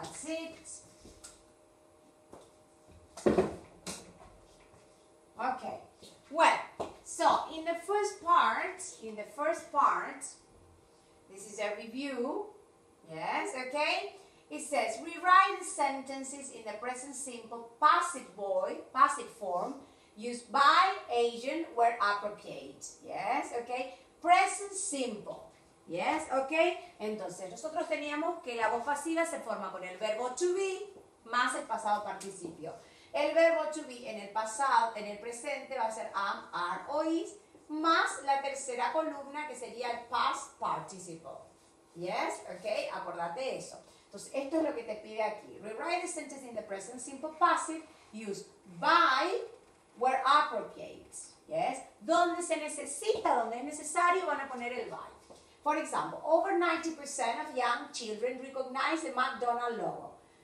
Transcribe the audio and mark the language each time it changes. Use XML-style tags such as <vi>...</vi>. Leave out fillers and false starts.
<en>Okay, well, so in the first part, this is a review, yes, okay, it says rewrite the sentences in the present simple passive form used by agent where appropriate, yes, okay, present simple. Yes, okay.</en> <es>Entonces nosotros teníamos que la voz pasiva se forma con el verbo to be más el pasado participio. El verbo to be en el pasado, en el presente va a ser am, are o is más la tercera columna que sería el past participle.</es> <en>Yes, okay.</en> <es>Acordate eso. Entonces esto es lo que te pide aquí.</es> <en>Rewrite the sentence in the present simple passive. Use by where appropriate. Yes.</en> <es>Donde se necesita, donde es necesario, van a poner el by.</es> <en>For example, over 90% of young children recognize the McDonald's logo.</en>